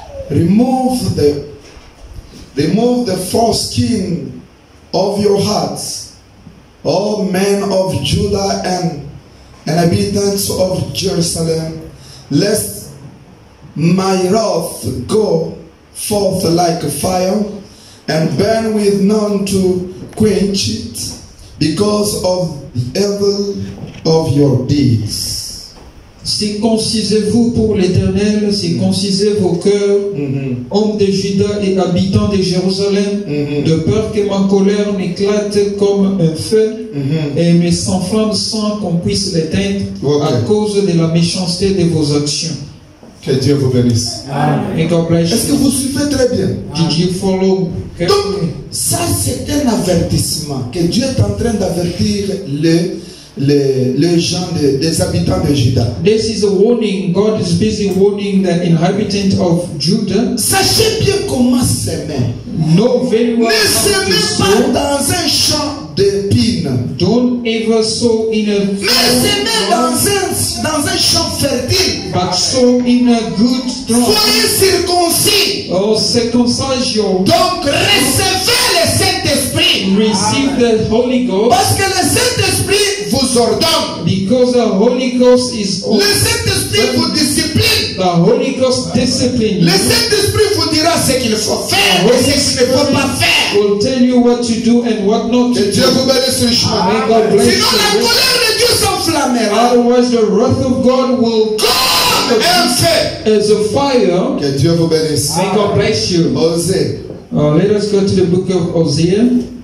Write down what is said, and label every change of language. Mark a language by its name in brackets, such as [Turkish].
[English] Remove the foreskin of your hearts, all men of Juda and inhabitants of Jerusalem, lest my wrath go forth like a fire and burn with none to quench it because of the evil of your deeds. [French] Circoncisez-vous pour l'Éternel, circoncisez vos cœurs, hommes de Juda et habitants de Jérusalem, de peur que ma colère n'éclate comme un feu et ne s'enflamme sans qu'on puisse l'éteindre à cause de la méchanceté de vos actions. Que Dieu vous bénisse. Et [English] God bless you. [French] Est-ce que vous suivez très bien? [English] Did you follow? [French] Donc, ça c'est un avertissement que Dieu est en train d'avertir les gens des habitants de Juda. [English] This is a warning. God is busy warning the inhabitant of Judah. [French] Sachez bien comment semer. [English] Know very well. [French] Ne semez pas dans un champ d'épines. [English] Don't ever sow in a. [French] Mais semez dans un champ fertile. [English] But sow in a good ground. [French] Soyez circoncis. [English] Oh, circoncise your. [French] Donc recevez le Saint-Esprit. [English] Receive the Holy Ghost. [French] Parce que le Saint-Esprit vous ordonne. [English] Because the Holy Ghost is [French] le Saint-Esprit vous discipline. [English] The Holy Ghost discipline. [French] Le Saint-Esprit vous dira ce qu'il faut faire et ce qu'il ne faut pas faire. [English] Will tell you what to do and what not to do. [French] Que Dieu vous bénisse richement. Sinon la colère de Dieu s'enflammera. [English] Otherwise the wrath of God will come as a fire. Que Dieu vous bénisse. May God bless you. [French] Osée. [English] Let us go to the book of Hosea.